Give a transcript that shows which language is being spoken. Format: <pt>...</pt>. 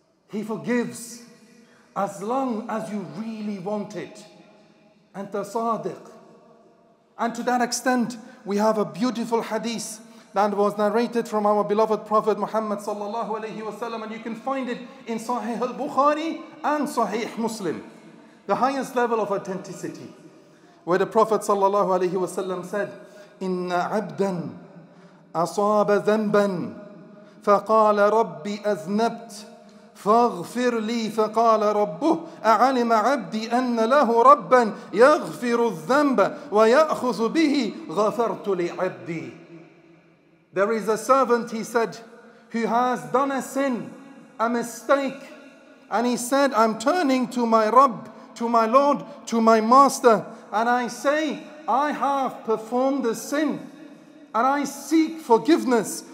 <en>He forgives as long as you really want it. And the sadiq. And to that extent, we have a beautiful hadith that was narrated from our beloved Prophet Muhammad sallallahu alayhi wa sallam, and you can find it in Sahih al-Bukhari and Sahih Muslim. The highest level of authenticity.</en> <ar>Where the Prophet sallallahu alayhi wa sallam said, إِنَّ عَبْدًا أَصَابَ ذَنْبًا فَقَالَ رَبِّي أَذْنَبْتْ فَاغْفِرْ لِي فَقَالَ رَبُّهُ أَعَلِمَ عَبْدِي أَنَّ لَهُ رَبًّا يَغْفِرُ الذَّنْبَ وَيَأْخُذُ بِهِ غَفَرْتُ لِعَبْدِي.</ar> <en>There is a servant, he said, who has done a sin, a mistake. And he said, I'm turning to my Rabb, to my Lord, to my Master. And I say, I have performed a sin and I seek forgiveness.</en>